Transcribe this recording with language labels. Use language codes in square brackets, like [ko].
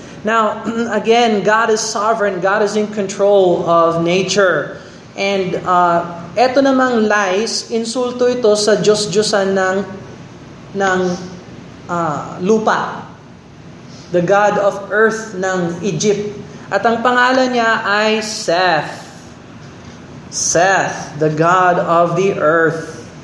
[en] Now, again, God is sovereign. God is in control of nature. [tl] And eto namang lice, insulto ito sa Diyos-Diyosan ng lupa. [en] The God of Earth ng Egypt. [tl] At ang pangalan niya ay Seth. [en] Seth, the God of the Earth.